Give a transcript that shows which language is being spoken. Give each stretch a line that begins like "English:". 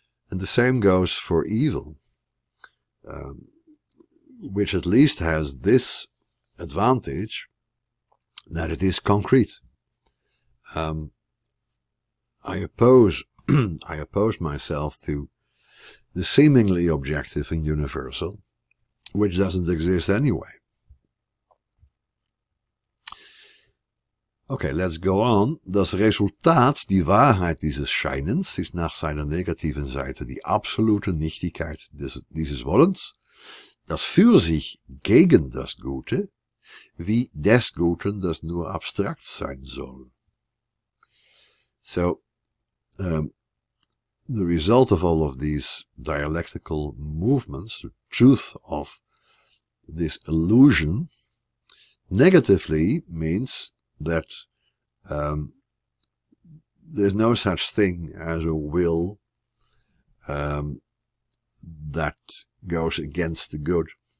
English: And the same goes for evil, which at least has this advantage that it is concrete. I oppose myself to the seemingly objective and universal, which doesn't exist anyway. Okay, let's go on.
German: Das Resultat, die Wahrheit dieses Scheinens, ist nach seiner negativen Seite die absolute Nichtigkeit dieses Wollens, das für sich gegen das Gute, wie des Guten das nur abstrakt sein soll.
English: So, the result of all of these dialectical movements, the truth of this illusion, negatively means that there's no such thing as a will that goes against the good.